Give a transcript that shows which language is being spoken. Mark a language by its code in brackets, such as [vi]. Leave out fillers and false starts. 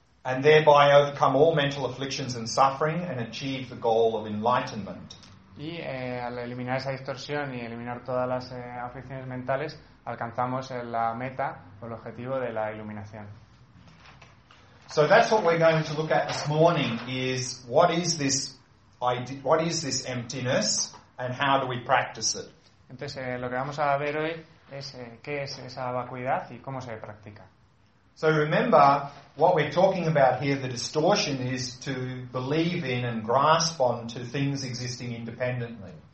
[en] And thereby overcome all mental afflictions and suffering and achieve the goal of enlightenment. [es] Y al eliminar esa distorsión y eliminar todas las aflicciones mentales, alcanzamos la meta o el objetivo de la iluminación. [en] So that's what we're going to look at this morning, is what is this emptiness and how do we practice it? [es] Entonces lo que vamos a ver hoy es qué es esa vacuidad y cómo se practica. [en] So remember, what we're talking about here, the distortion is to believe in and grasp on to things existing independently.